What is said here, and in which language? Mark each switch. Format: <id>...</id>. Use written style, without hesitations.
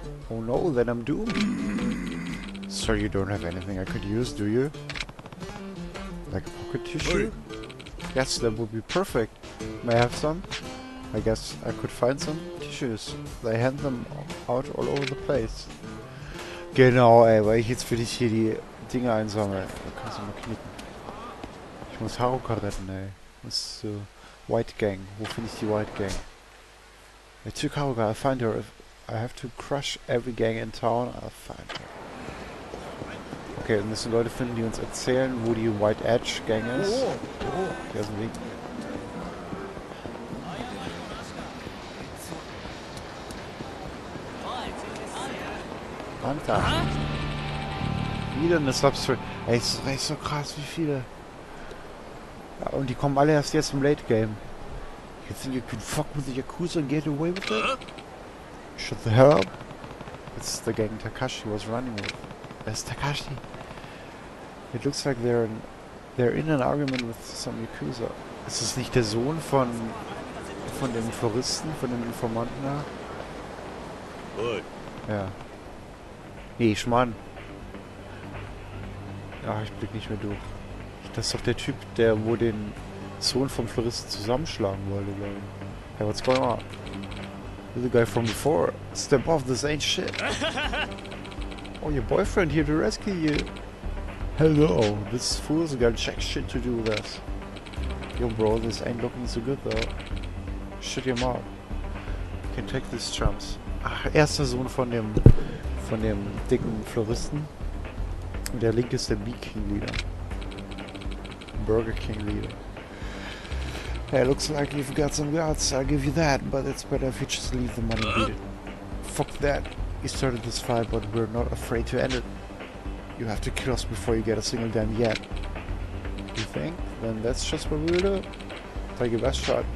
<en>Oh no, then I'm doomed. Sir, you don't have anything I could use, do you? Like a pocket tissue? Yes, that would be perfect. May I have some? I guess I could find some tissues. They hand them out all over the place.</en> <de>Genau, ey, weil ich jetzt für dich hier die Dinge einsammle. Da kannst du mal knicken. Ich muss Haruka retten, ey. Was ist so? White Gang. Wo finde ich die White Gang?</de> <en>I took Haruka, I'll find her. If I have to crush every gang in town, I'll find her.</en> <de>Okay, wir müssen Leute finden, die uns erzählen, wo die White Edge Gang ist. Hier ist ein Weg. Hunter. Wieder eine Substrate. Ey, das ist so krass, wie viele. Ja, und die kommen alle erst jetzt im Late Game.</de> <en>You think you can fuck with the Yakuza and get away with it? Shut the hell up. It's the gang Takashi was running with. Where's Takashi? It looks like they're in an argument with some Yakuza.</en> <de>Ist es nicht der Sohn von dem Floristen, von dem Informanten da?</de> <en>Boy.</en> <de>Ja. Nee, Schmann. Ja, ich blick nicht mehr durch. Das ist doch der Typ, der wo den Sohn vom Floristen zusammenschlagen wollte, glaube ich.</de> <en>Hey, what's going on? You're the guy from before. Step off, this ain't shit. Oh, your boyfriend here to rescue you. Hello, this fool's got jack shit to do with us. Yo bro, this ain't looking so good though. Shut your mouth. You can take these chumps.</en> <de>Ach, erster Sohn von dem dicken Floristen. Und der linke ist der B-King Leader.</de> <en>Burger King Leader. Hey, looks like you've got some guts, I'll give you that, but it's better if you just leave the money here. Fuck that. We started this fight, but we're not afraid to end it. You have to kill us before you get a single damn yet. You think? Then that's just what we'll do. Take your best shot.</en>